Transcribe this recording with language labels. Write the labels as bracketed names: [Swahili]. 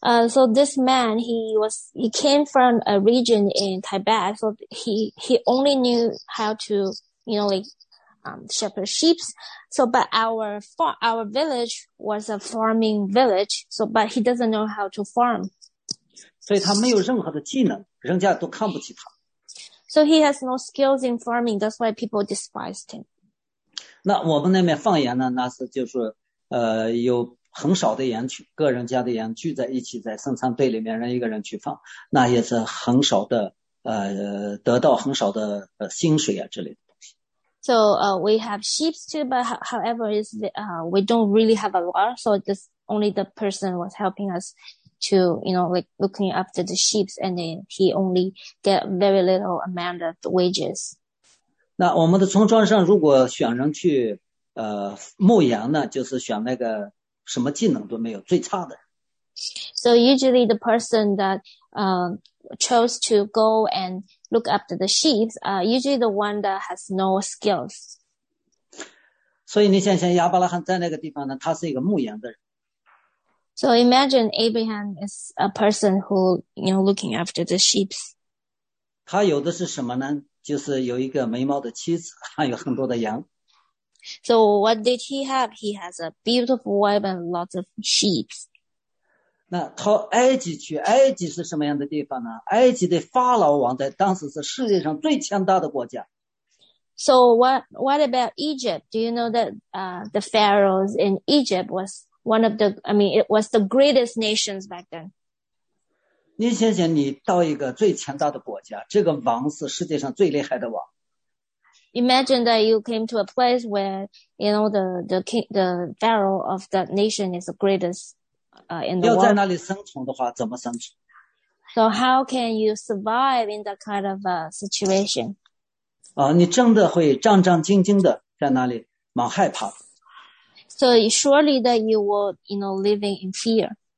[English] So this man, he came from a region in Tibet. So he only knew how to, you know, like, shepherd sheep. So, but our village was a farming village. So, but he doesn't know how to farm. [Chinese] 所以他没有任何的技能，人家都看不起他。 [English] So he has no skills in farming. That's why people despised him. [Chinese] 那我们那边放羊呢，那是就是有。很少的羊群，个人家的羊聚在一起，在生产队里面，让一个人去放，那也是很少的，得到很少的薪水啊之类的东西。 [English] So, we have sheep too, but however, is we don't really have a lot, so just only the person was helping us to, you know, like looking after the sheep, and then he only get very little amount of wages. [Chinese] 那我们的村庄上，如果选人去牧羊呢，就是选那个。什么技能都没有，最差的。 [English] So usually the person that chose to go and look after the sheep, usually the one that has no skills. [Chinese] 所以你想想，亚伯拉罕在那个地方呢，他是一个牧羊的人。 [English] So imagine Abraham is a person who, you know, looking after the sheep. [Chinese] 他有的是什么呢？就是有一个美貌的妻子，还有很多的羊。 [English] So what did he have? He has a beautiful wife and lots of sheep. [Chinese] 那到埃及去，埃及是什么样的地方呢？埃及的法老王在当时是世界上最强大的国家。 [English] So what about Egypt? Do you know that the pharaohs in Egypt was one of the, I mean, it was the greatest nations back then. [Chinese] 林先生，你到一个最强大的国家，这个王是世界上最厉害的王。 [English] Imagine that you came to a place where, you know, the king, the pharaoh of that nation is the greatest, in the world. [Chinese] 要在那里生存的话，怎么生存？ [English] So how can you survive in that kind of a situation? [Chinese] 啊，你真的会战战兢兢的在那里，蛮害怕的。 [English] So surely that you will, you know, living in fear.